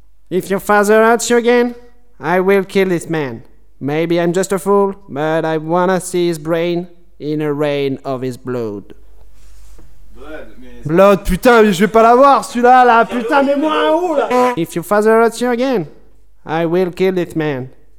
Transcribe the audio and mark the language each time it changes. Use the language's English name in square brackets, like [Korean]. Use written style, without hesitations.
[English] If your father hurts you again, I will kill this man. Maybe I'm just a fool, but I wanna see his brain in a rain of his blood. Blood, [French] putain, mais je vais pas l'avoir celui-là là, putain, mais moi un où là. [English] If your father hurts you again, I will kill this man.